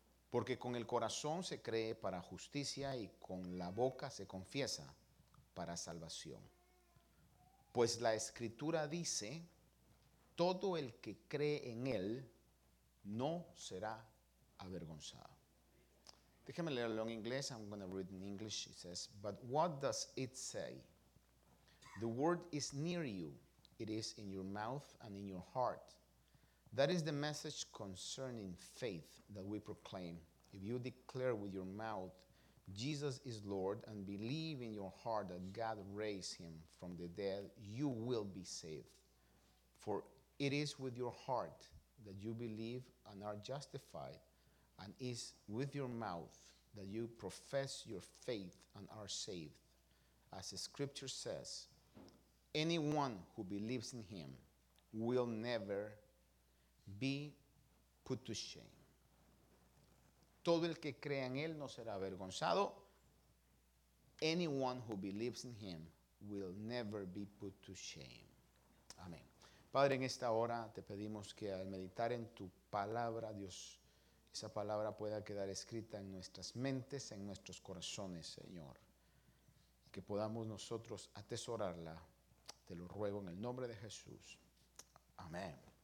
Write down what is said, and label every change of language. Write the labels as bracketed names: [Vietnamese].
[Spanish] Porque con el corazón se cree para justicia y con la boca se confiesa para salvación. Pues la Escritura dice: todo el que cree en Él no será avergonzado. Déjeme leerlo en inglés. [English] I'm going to read in English. It says, but what does it say? The word is near you. It is in your mouth and in your heart. That is the message concerning faith that we proclaim. If you declare with your mouth Jesus is Lord and believe in your heart that God raised him from the dead, you will be saved. For it is with your heart that you believe and are justified, and is with your mouth that you profess your faith and are saved. As the scripture says, anyone who believes in him will never be put to shame. [Spanish] Todo el que crea en él no será avergonzado. [English] Anyone who believes in him will never be put to shame. [Spanish] Amén. Padre, en esta hora te pedimos que al meditar en tu palabra, Dios, esa palabra pueda quedar escrita en nuestras mentes, en nuestros corazones, Señor. Que podamos nosotros atesorarla. Te lo ruego en el nombre de Jesús. Amén.